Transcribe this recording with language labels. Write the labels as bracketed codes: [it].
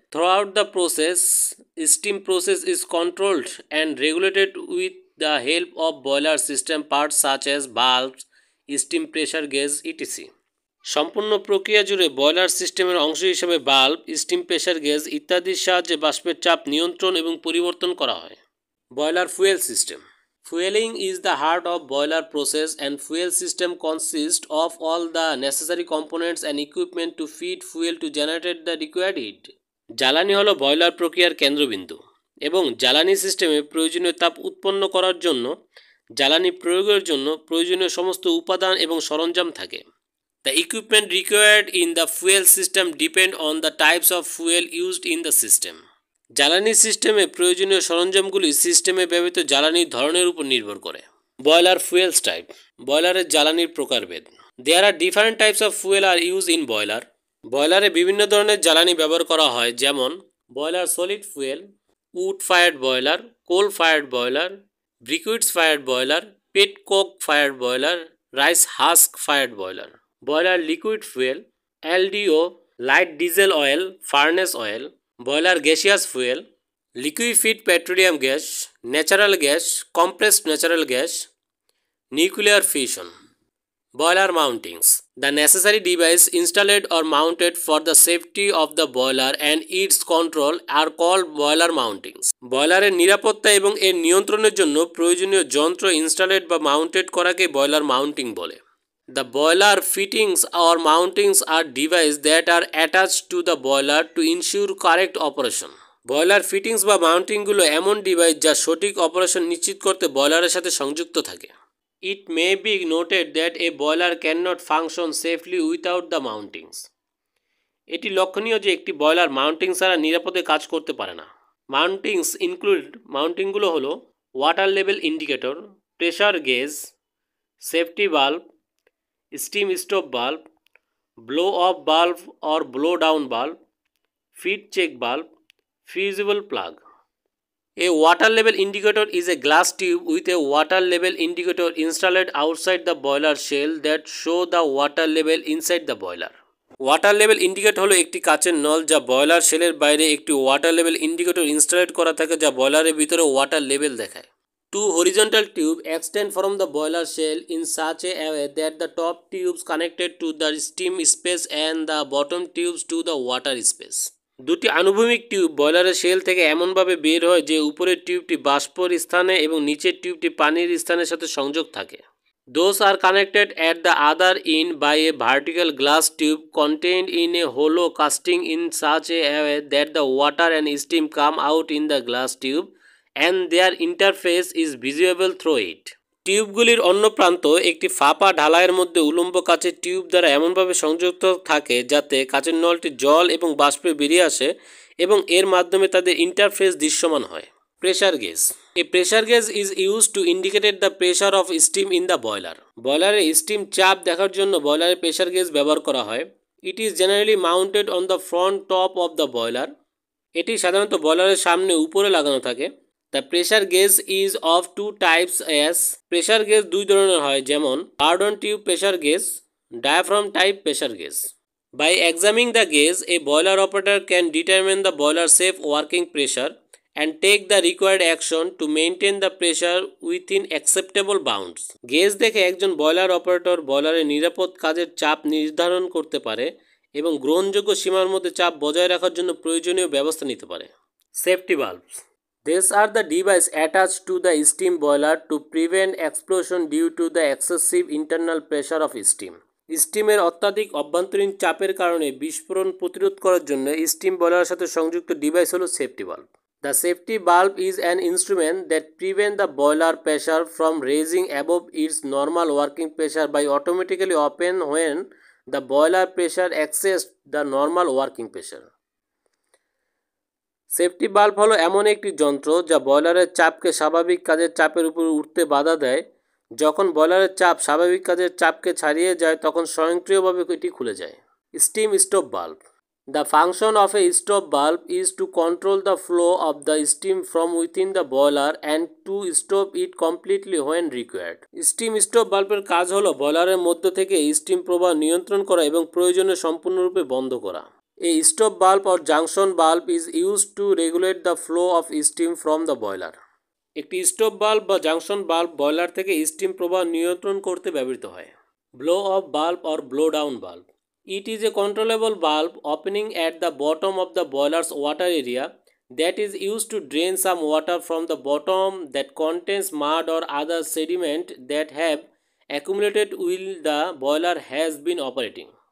[en] Throughout the process steam process is controlled and regulated with the help of boiler system part such as valves, steam pressure gauge etc. [bn] সম্পূর্ণ প্রক্রিয়া জুড়ে boiler সিস্টেমের অংশ হিসেবে bulb, steam pressure gauge ইত্যাদির সাহায্যে বাষ্পের চাপ নিয়ন্ত্রণ এবং পরিবর্তন করা হয়। Boiler fuel system. [en] Fueling is the heart of boiler process and fuel system consists of all the necessary components and equipment to feed fuel to generate the required heat. [bn] জ্বালানি হলো বয়লার প্রক্রিয়ার কেন্দ্রবিন্দু এবং জ্বালানি সিস্টেমে প্রয়োজনীয় তাপ উৎপন্ন করার জন্য জ্বালানি প্রয়োগের জন্য প্রয়োজনীয় সমস্ত উপাদান এবং সরঞ্জাম থাকে। [en] The equipment required in the fuel system depend on the types of fuel used in the system. [bn] জ্বালানি সিস্টেমে প্রয়োজনীয় সরঞ্জামগুলি সিস্টেমে ব্যবহৃত জ্বালানির ধরনের উপর নির্ভর করে। [en] Boiler fuels type. [bn] বয়লারের জ্বালানির প্রকারভেদ। [en] There are different types of fuel are used in boiler. [bn] বয়লারে বিভিন্ন ধরনের জ্বালানি ব্যবহার করা হয়, যেমন boiler solid fuel, would fired boiler, coal fired boiler, ব্রিকুইডস fired boiler, pet Coke fired boiler, rice husk fired boiler. Boiler liquid fuel, LDO, light diesel oil, furnace oil, boiler gaseous fuel, লিকুইফিড petroleum gas, natural gas, compressed natural gas, nuclear fusion. Boiler মাউন্টিংস। [en] The necessary device installed or mounted for the safety of the boiler and its control are called boiler mountings. [bn] বয়লারের নিরাপত্তা এবং এর নিয়ন্ত্রণের জন্য প্রয়োজনীয় যন্ত্র installed বা mounted করাকে boiler mounting বলে। [en] The boiler fittings or mountings are devices that are attached to the boiler to ensure correct operation. [bn] Boiler fittings বা মাউন্টিংস গুলো এমন ডিভাইস যা সঠিক অপারেশন নিশ্চিত করতে বয়লারের সাথে সংযুক্ত থাকে। [en] It may be noted that a boiler cannot function safely without the mountings. [bn] এটি লক্ষণীয় যে একটি বয়লার মাউন্টিংস ছাড়া নিরাপদে কাজ করতে পারে না। [en] Mountings include [bn] mounting গুলো হলো [en] water level indicator, pressure gauge, safety valve, steam stove bulb, blow of bulb or blow down bulb, fit check bulb, fusible plug. A water level indicator is a glass tube with a water level indicator installed outside the boiler shell that show the water level inside the boiler. [bn] Water level indicator হলো একটি কাচের নল যা boiler শেলের বাইরে একটি water level indicator installed করা থাকে যা বয়লারের ভিতরে ওয়াটার লেভেল দেখায়। [en] Two horizontal tubes extend from the boiler shell in such a way that the top tubes connected to the steam space and the bottom tubes to the water space. [bn] দুটি অনুভূমিক tube বয়লারের shell থেকে এমনভাবে বের হয় যে উপরের টিউবটি বাষ্পর স্থানে এবং নিচের টিউবটি পানির স্থানের সাথে সংযোগ থাকে। [en] Those are connected at the other end by a vertical glass tube contained in a hollow casting in such a way that the water and steam come out in the glass tube. And their interface is visible through it. [bn] টিউবগুলির অন্য প্রান্ত একটি ফাঁপা ঢালাইয়ের মধ্যে উলম্ব কাচের tube দ্বারা এমনভাবে সংযুক্ত থাকে যাতে কাচের নলটি জল এবং বাষ্পে বেরিয়ে আসে এবং এর মাধ্যমে তাদের ইন্টারফেস দৃশ্যমান হয়। Pressure gauge. [en] A pressure gauge is use to indicated the pressure of steam in the boiler. [bn] বয়লারে steam চাপ দেখার জন্য বয়লারে প্রেশার গেজ ব্যবহার করা হয়। [en] It is generally mounted on the front top of the boiler. [bn] এটি সাধারণত বয়লারের সামনে উপরে লাগানো থাকে। [en] The pressure gauge is of two types S. [bn] Pressure gauge দুই ধরনের হয়, যেমন কার্ডন tube pressure gauge, diaphragm type pressure gauge. [en] By examining the gauge a boiler operator can determine the boiler safe working pressure and take the required action to maintain the pressure within acceptable bounds. [bn] Gauge দেখে একজন boiler operator বয়লারের নিরাপদ কাজের চাপ নির্ধারণ করতে পারে এবং গ্রহণযোগ্য সীমার মধ্যে চাপ বজায় রাখার জন্য প্রয়োজনীয় ব্যবস্থা নিতে পারে। [en] Safety valves. These are the devices attached to the steam boiler to prevent explosion due to the excessive internal pressure of steam. [bn] স্টিমের অত্যাধিক অভ্যন্তরীণ চাপের কারণে বিস্ফোরণ প্রতিরোধ করার জন্য স্টিম বয়লারের সাথে সংযুক্ত ডিভাইস হলো safety bulb. [en] The safety bulb is an instrument that prevent the boiler pressure from raising above it's normal working pressure by automatically open when the boiler pressure access the normal working pressure. [bn] Safety bulb হলো এমন একটি যন্ত্র যা বয়লারের চাপকে স্বাভাবিক কাজের চাপের উপর উঠতে বাধা দেয়। যখন বয়লারের চাপ স্বাভাবিক কাজের চাপকে ছাড়িয়ে যায় তখন স্বয়ংক্রিয়ভাবে এটি খুলে যায়। [en] Steam stove bulb. The function of A stove bulb is to control the flow of the steam from within the boiler and two stove it completely when required. [bn] Steam stove বাল্বের কাজ হলো বয়লারের মধ্য থেকে স্টিম প্রবাহ নিয়ন্ত্রণ করা এবং প্রয়োজনে সম্পূর্ণরূপে বন্ধ করা। [en] A stop valve or junction valve is used to regulate the flow of steam from the boiler. [bn] একটি স্টপ বাল্ব বা জাংশন বাল্ব বয়লার থেকে স্টিম প্রবাহ নিয়ন্ত্রণ করতে ব্যবহৃত হয়। [en] Blow of bulb or blow down bulb. It is a controllable bulb opening at the bottom of the boilers water area that is use to drain some water from the bottom that contains মাড or other sediment that have accumulated will the boiler has been operating.